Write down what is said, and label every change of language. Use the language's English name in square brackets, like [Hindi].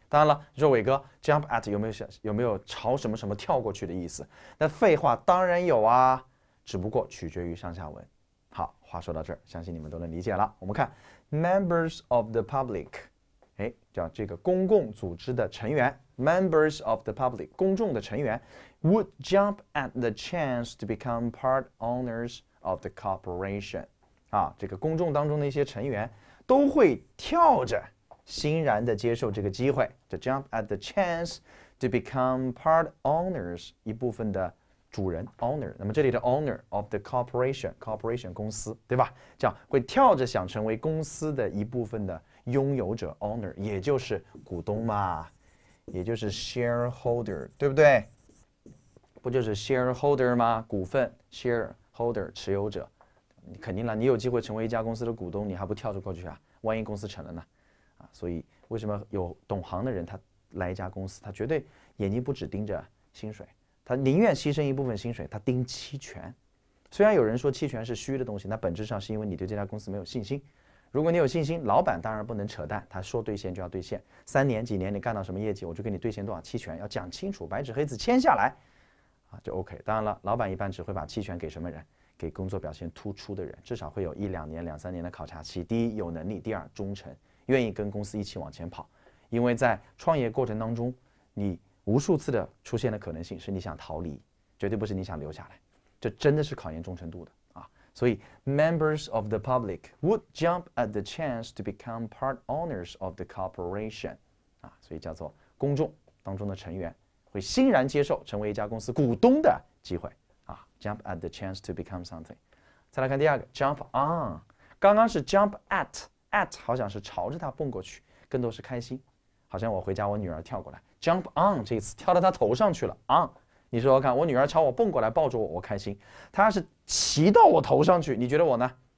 [Chinese] 当然了，你说伟哥 [English] jump at [Chinese] 有没有朝什么什么跳过去的意思？那废话，当然有啊，只不过取决于上下文。好，话说到这儿，相信你们都能理解了。我们看 [English] members of the public。 [Chinese] 叫这个公共组织的成员 ，members of the public， 公众的成员 ， [English] would jump at the chance to become part owners of the corporation， [Chinese] 啊，这个公众当中的一些成员都会跳着欣然的接受这个机会，就 [English] jump at the chance to become part owners [Chinese] 一部分的主人 owner， 那么这里的 [English] owner of the corporation [Chinese] 公司，对吧？叫会跳着想成为公司的一部分的。拥有者 owner 也就是股东嘛，也就是 shareholder， 对不对？不就是 shareholder 吗？股份 shareholder 持有者，肯定了，你有机会成为一家公司的股东，你还不跳出过去啊？万一公司成了呢？啊，所以为什么有懂行的人他来一家公司，他绝对眼睛不只盯着薪水，他宁愿牺牲一部分薪水，他盯期权。虽然有人说期权是虚的东西，那本质上是因为你对这家公司没有信心。如果你有信心，老板当然不能扯淡，他说兑现就要兑现，三年几年你干到什么业绩，我就给你兑现多少期权，要讲清楚，白纸黑字签下来啊，就 OK。当然了，老板一般只会把期权给什么人，给工作表现突出的人，至少会有一两年两三年的考察期，第一有能力，第二忠诚，愿意跟公司一起往前跑。因为在创业过程当中，你无数次的出现的可能性是你想逃离，绝对不是你想留下来，这真的是考验忠诚度的。所以 [English] members of the public would jump at the chance to become part owners of the corporation， [Chinese] 啊，所以叫做公众当中的成员会欣然接受成为一家公司股东的机会啊。 [English] Jump at the chance to become something。 [Chinese] 再来看第二个 [English] jump on， [Chinese] 刚刚是 [English] jump at， [Chinese] 好像是朝着他蹦过去，更多是开心，好像我回家我女儿跳过来 jump on， 这次跳到他头上去了 on。你说说看，我女儿朝我蹦过来抱着我，我开心，她是骑到我头上去，你觉得我呢？